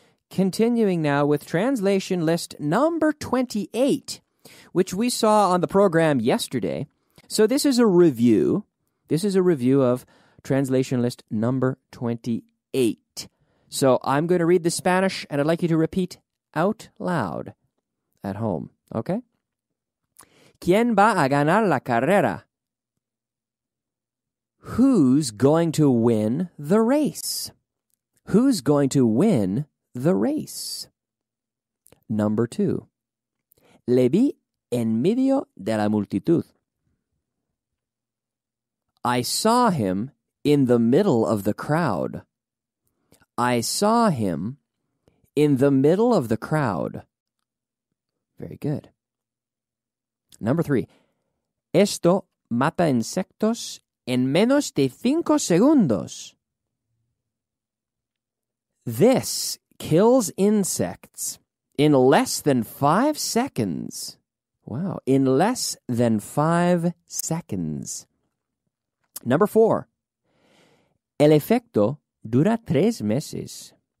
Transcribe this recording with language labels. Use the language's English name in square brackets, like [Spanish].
[English] Continuing now with translation list number 28, which we saw on the program yesterday. So this is a review. This is a review of translation list number 28. So I'm going to read the Spanish, and I'd like you to repeat out loud at home, okay? [Spanish] ¿Quién va a ganar la carrera? [English] Who's going to win the race? Who's going to win the race? Number two. [Spanish] Le vi en medio de la multitud. [English] I saw him in the middle of the crowd. I saw him in the middle of the crowd. Very good. Number three. [Spanish] Esto mata insectos en menos de cinco segundos. [English] This kills insects in less than 5 seconds. Wow, in less than 5 seconds. Number four, [Spanish] el efecto dura tres meses.